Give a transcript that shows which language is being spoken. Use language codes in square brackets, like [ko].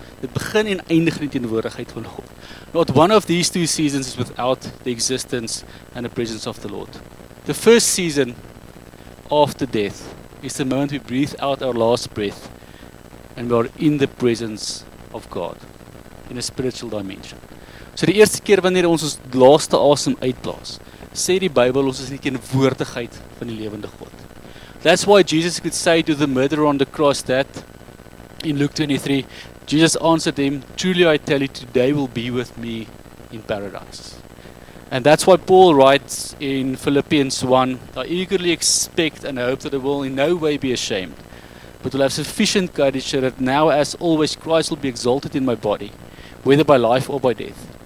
[af] The begin en eindig in die teenwoordigheid van God. [en] Not one of these two seasons is without the existence and the presence of the Lord. The first season after death is the moment we breathe out our last breath and we are in the presence of God in a spiritual dimension. [af] So die eerste keer wanneer ons ons laaste asem uitblaas, sê die Bybel ons is in die teenwoordigheid van die lewende God. [en] That's why Jesus could say to the murderer on the cross that in Luke 23, Jesus answered him, "Truly I tell you, today will be with me in paradise." And that's why Paul writes in Philippians 1, "I eagerly expect and hope that I will in no way be ashamed, but will have sufficient courage that now as always Christ will be exalted in my body, whether by life or by death.